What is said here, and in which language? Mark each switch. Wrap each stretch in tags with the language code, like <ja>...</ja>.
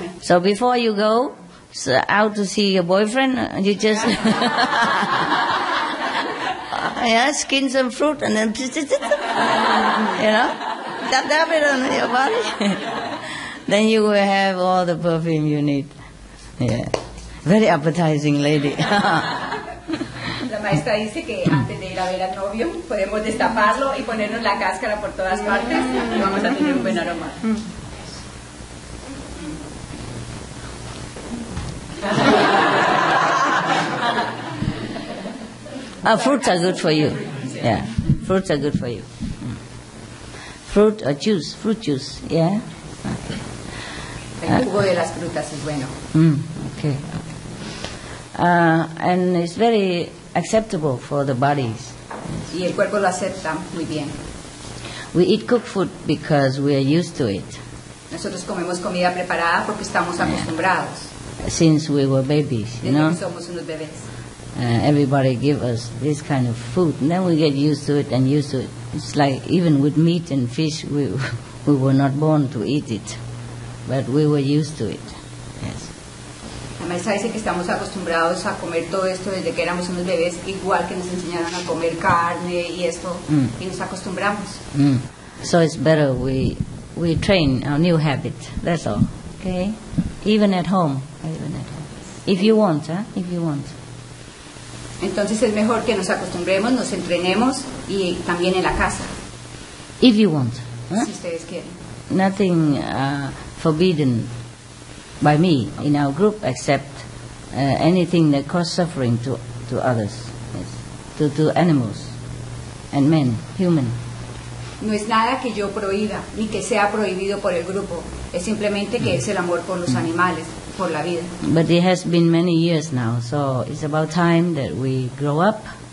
<en>So before you go out to see your boyfriend, you just... Yeah, skin some fruit and then, you know, dab it on your body. Then you will have all the perfume you need. Yeah, very appetizing lady.</en> <es>La maestra dice que antes de ir a ver al novio, podemos destaparlo y ponernos la cáscara por todas partes y vamos a tener un buen aroma.</es> <en>Fruits are good for you. Yeah, fruits are good for you. Fruit or juice, fruit juice. Yeah.</en> <es>El jugo de las frutas es bueno.</es> <en>Okay. And it's very acceptable for the bodies.</en> <es>Y el cuerpo lo acepta muy bien.</es> <en>We eat cooked food because we are used to it.</en> <es>Nosotros comemos comida preparada porque estamos acostumbrados.</es> <en>Since we were babies, you know.</en> <es>Desde que somos unos bebés.</es> <en>Everybody give us this kind of food, and then we get used to it and used to it. It's like even with meat and fish, we were not born to eat it, but we were used to it. Yes.</en> <es>La maestra dice que estamos acostumbrados a comer todo esto desde que éramos unos bebés, igual que nos enseñaron a comer carne y esto, y nos acostumbramos.</es> <en>So it's better we train our new habit. That's all. Okay. Even at home. If you want.</en> <es>Entonces es mejor que nos acostumbremos, nos entrenemos y también en la casa.</es> <en>If you want. Huh?</en> <es>Si ustedes quieren.</es> <en>Nothing forbidden by me in our group except anything that causes suffering to others, yes. to animals and men, human.</en> <es>No es nada que yo prohíba ni que sea prohibido por el grupo. Es simplemente que es el amor por los animales. Por la vida.</es> <en>But it has been many years now, so it's about time that we grow up.</en>